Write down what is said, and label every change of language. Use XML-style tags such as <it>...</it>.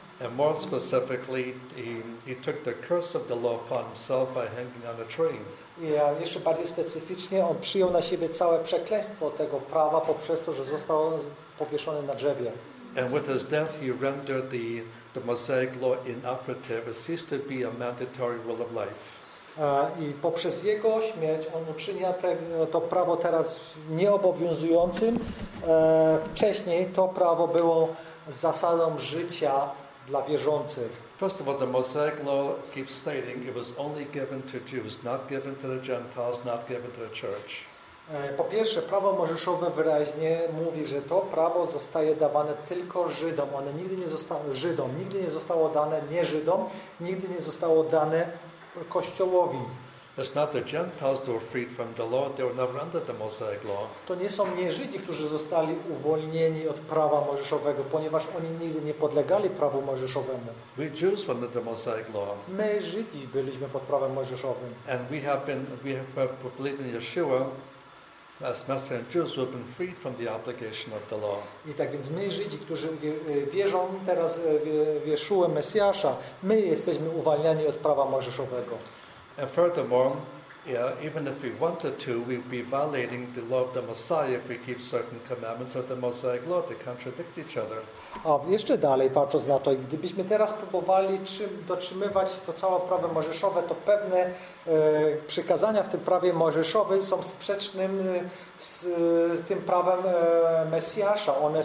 <en>And more specifically, he took the curse of the law upon himself by hanging on a tree.</en> <pl>I jeszcze bardziej specyficznie, on przyjął na siebie całe przekleństwo tego prawa poprzez to, że został powieszony na drzewie.</pl> <en>And with his death, he rendered the Mosaic law inoperative. It ceased to be a mandatory rule of life.</en> <pl>I poprzez jego śmierć on uczynia to prawo teraz nieobowiązującym. Wcześniej to prawo było zasadą życia dla wierzących.</pl> <en>First of all, the Mosaic law keeps stating it was only given to Jews, not given to the Gentiles, not given to the church.</en> <pl>Po pierwsze, prawo mojżeszowe wyraźnie mówi, że to prawo zostaje dawane tylko Żydom. One nigdy nie zostało Żydom, nigdy nie zostało dane nie Żydom, nigdy nie zostało dane Kościołowi.</pl> <en>It's not the Gentiles who were freed from the law; they were never under the Mosaic law.</en> <pl>To nie są nie Żydzi, którzy zostali uwolnieni od prawa mojżeszowego, ponieważ oni nigdy nie podlegali prawu mojżeszowemu.</pl> <en>We Jews were under the Mosaic law.</en> <pl>My Żydzi byliśmy pod prawem mojżeszowym.</pl> <en>And we have believed in Yeshua. As Master and Jews who have been freed from the obligation of the law.</en> <pl>I tak więc my Żydzi, którzy wierzą teraz w Jeszuę Mesjasza, my jesteśmy uwalniani od prawa mojżeszowego.</pl> <en>And furthermore, even if we wanted to, we'd be violating the law of the Messiah if we keep certain commandments of the Mosaic law. They contradict each other.</en> <pl>A jeszcze dalej, patrząc na to, gdybyśmy teraz próbowali dotrzymywać to całe prawo mojżeszowe, to pewne przykazania w tym prawie mojżeszowym są sprzecznym z tym prawem Mesjasza.</pl>